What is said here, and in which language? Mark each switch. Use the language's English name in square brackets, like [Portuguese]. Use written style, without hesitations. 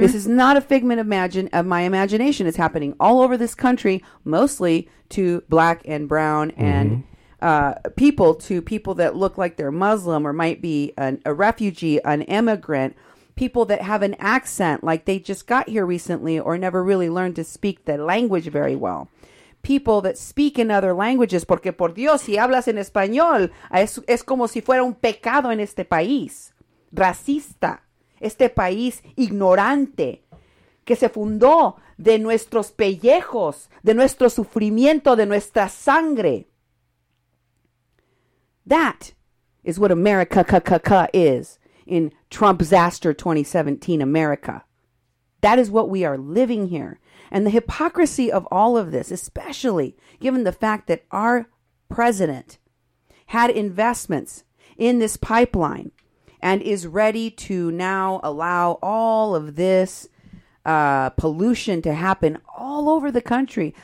[English] This is not a figment of my imagination. It's happening all over this country, mostly to black and brown and people that look like they're Muslim or might be a refugee, an immigrant. People that have an accent like they just got here recently or never really learned to speak the language very well. people that speak in other languages, [Spanish] porque por Dios, si hablas en español, es como si fuera un pecado en este país. Racista. Este país ignorante que se fundó de nuestros pellejos, de nuestro sufrimiento, de nuestra sangre. [English] That is what America is in Trumpzaster 2017 America. That is what we are living here. And the hypocrisy of all of this, especially given the fact that our president had investments in this pipeline and is ready to now allow all of this pollution to happen all over the country.